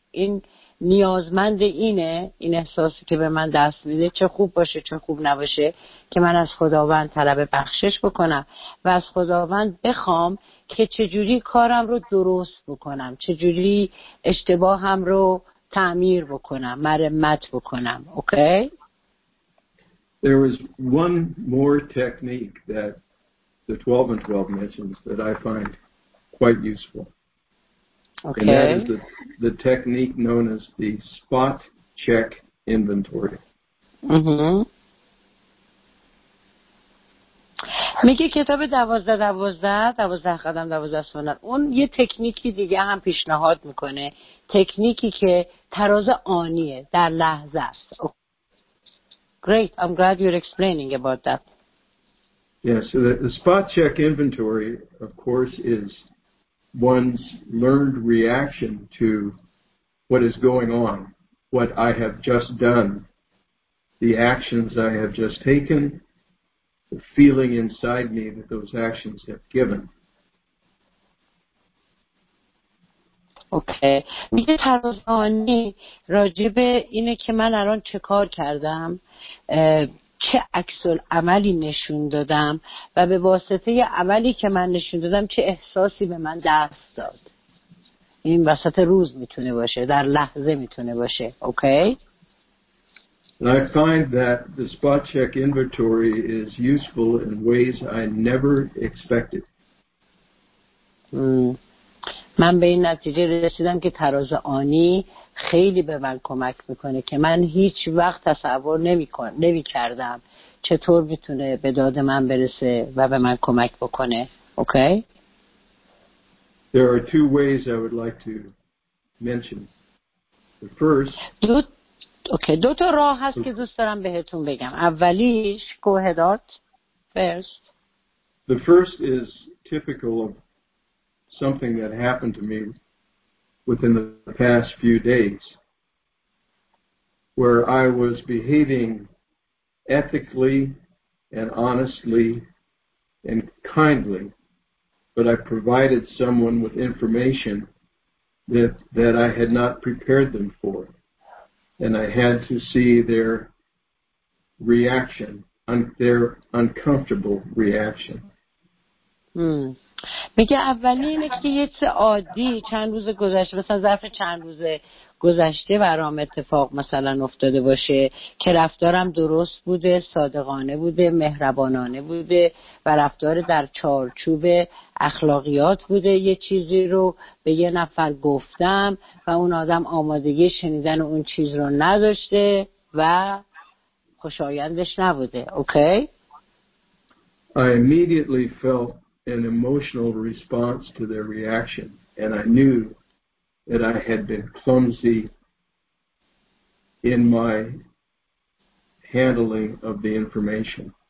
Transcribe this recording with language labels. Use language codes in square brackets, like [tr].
[fa] این نیازمند اینه، این احساسی که به من دست میده چه خوب باشه چه خوب نباشه، که من از خداوند طلب بخشش بکنم و از خداوند بخوام که چجوری کارم رو درست بکنم، چجوری اشتباهم رو تعمیر بکنم، مرمت بکنم. اوکی؟ [en] There was one more technique that the 12 and 12 mentions that I find quite useful. Okay. And that is the technique known as the spot check inventory. Mm-hmm. [fa] میگه کتاب 12 قدم 12 سنت اون یه تکنیکی دیگه هم پیشنهاد میکنه، تکنیکی که تراز آنیه، در لحظه است. [en] Great, I'm glad you're explaining about that. Yeah, so the spot check inventory, of course, is one's learned reaction to what is going on, what I have just done, the actions I have just taken, the feeling inside me that those actions have given. Okay. [fa] میگه ترازانی راجب اینه که من الان چه کار کردم، چه عکس العملی نشون دادم و به واسطه عملی که من نشون دادم چه احساسی به من دست داد. این وسط روز میتونه باشه، در لحظه میتونه باشه. [en] Okay. And I find that the spot check inventory is useful in ways I never expected. [fa] من به این نتیجه رسیدم که تراز آنی خیلی به من کمک میکنه که من هیچ وقت تصور نمی کردم چطور میتونه به داد من برسه و به من کمک بکنه. [en] Okay. There are two ways I would like to mention. The first. [fa] دو تا راه هست که دوست دارم بهتون بگم. اولیش کوهدات. [en] First. The first is typical of something that happened to me within the past few days, where I was behaving ethically and honestly and kindly, but I provided someone with information that I had not prepared them for, and I had to see their reaction, their uncomfortable reaction. [fa] میگه اولی اینه که یه چه عادی چند روز گذشته، مثلا ظرف چند روز گذشته برام اتفاق مثلا افتاده باشه که رفتارم درست بوده، صادقانه بوده، مهربانانه بوده و رفتار در چارچوب اخلاقیات بوده، یه چیزی رو به یه نفر گفتم و اون آدم آمادگی شنیدن اون چیز رو نداشته و خوشایندش نبوده. اوکی؟ [en] I immediately felt an emotional response to their reaction, and I knew that I had been clumsy in my handling of the information.